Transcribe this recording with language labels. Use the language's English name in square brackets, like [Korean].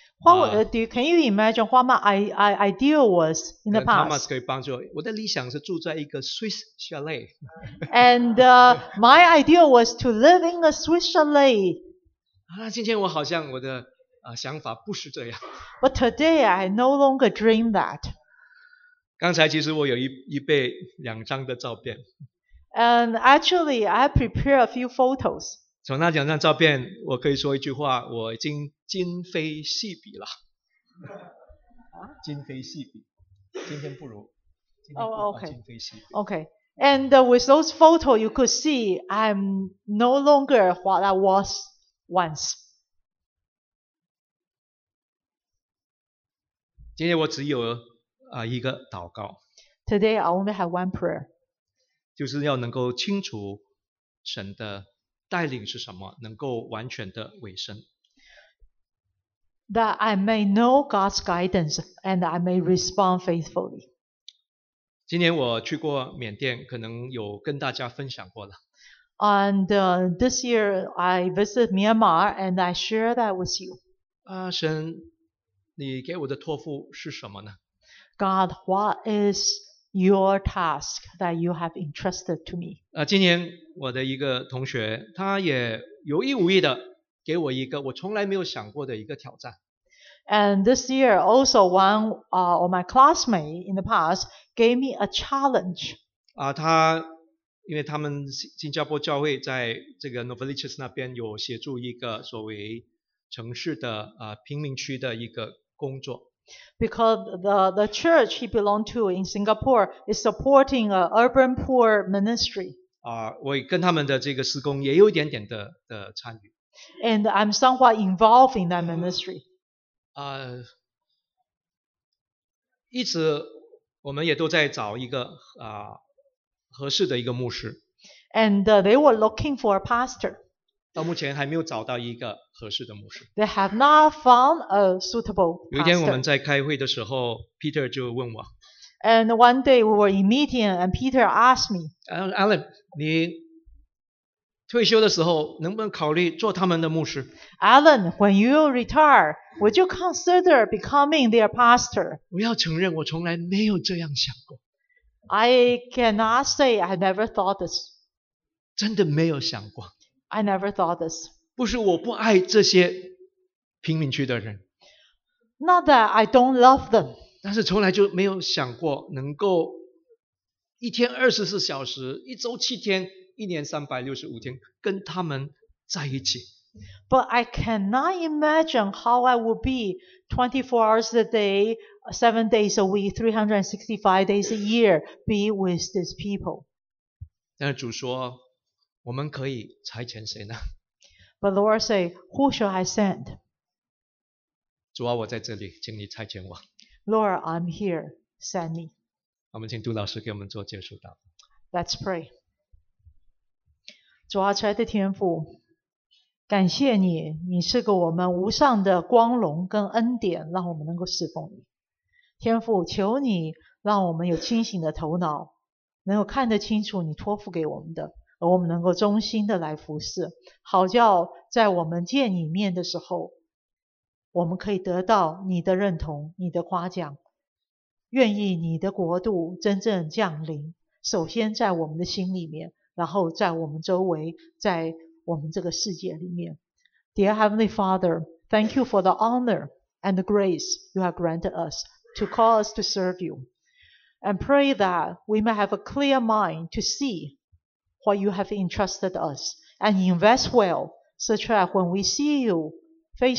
[English] Can you imagine what my ideal was in the past? [Chinese] Thomas 可以帮助我。我的理想是住在一个 Swiss chalet. [English] And my ideal was to live in a Swiss chalet. [Chinese] 啊，今天我好像我的想法不是这样。 [English] But today I no longer dream that. [Chinese] 刚才其实我有一备两张的照片。 [English] And actually I prepare a few photos. [Chinese] 从那两张照片，我可以说一句话：我已经今非昔比了。今非昔比，今天不如。今非昔比。 Okay. [English] And with those photos, you could see I'm no longer what I was once. [Chinese] 今天我只有一个祷告。 [English] Today I only have one prayer. [Chinese] 就是要能够清楚神的。带领是什么？能够完全的委身。 [English] That I may know God's guidance and I may respond faithfully. [Chinese] 今年我去过缅甸，可能有跟大家分享过了。 [English] And this year I visited Myanmar and I share that with you. [Chinese] 神，你给我的托付是什么呢？ [English] God, what is your task that you have entrusted to me? [Chinese] 今年我的一个同学，他也有意无意的给我一个我从来没有想过的一个挑战。 [English] And this year, also one of my classmates in the past gave me a challenge. [Chinese] 他因为他们新加坡教会在这个 Novaliches 那边有协助一个所谓城市的贫民区的一个工作。 [English] Because the church he belonged to in Singapore is supporting an urban poor ministry. [Chinese] 我跟他们的这个施工也有一点点 的参与。 [English] And I'm somewhat involved in that ministry. [Chinese] 一直我们也都在找一个合适的一个牧师。 [English] And they were looking for a pastor. [Chinese] 到目前还没有找到一个合适的牧师。 [English] They have not found a suitable pastor. [Chinese] 有一天我们在开会的时候 ，Peter 就问我。 [English] And one day we were in meeting, and Peter asked me, [Chinese] Alan, 你退休的时候能不能考虑做他们的牧师 [English] ？Alan, when you retire, would you consider becoming their pastor? [Chinese] 我要承认，我从来没有这样想过。 [English] I cannot say I never thought this. [Chinese] 真的没有想过。 [English] I never thought this. [Chinese] 不是我不爱这些贫民区的人。 [English] Not that I don't love them. [Chinese] 但是从来就没有想过能够一天24小时，一周7天，一年365天跟他们在一起。 [English] But I cannot imagine how I would be 24 hours a day, 7 days a week, 365 days a year be with these people. [Chinese] 但是主说我们可以差遣谁呢？ [English] But Lord say, who shall I send? [Chinese] 主啊，我在这里，请你差遣我。 [English] Lord, I'm here, send me. [Chinese] 我们请杜老师给我们做结束祷告。 [English] Let's pray. [Chinese] 主啊，亲爱的天父，感谢你，你是个我们无上的光荣跟恩典，让我们能够侍奉你。天父，求你让我们有清醒的头脑，能够看得清楚你托付给我们的，而我们能够忠心的来服侍，好叫在我们见你面的时候，我们可以得到你的认同，你的夸奖，愿意你的国度真正降临，首先在我们的心里面，然后在我们周围，在我们这个世界里面。 [English] Dear Heavenly Father, thank you for the honor and the grace you have granted us to call us to serve you, and pray that we may have a clear mind to seeWhat you have entrusted us, and invest well, such that when we see you face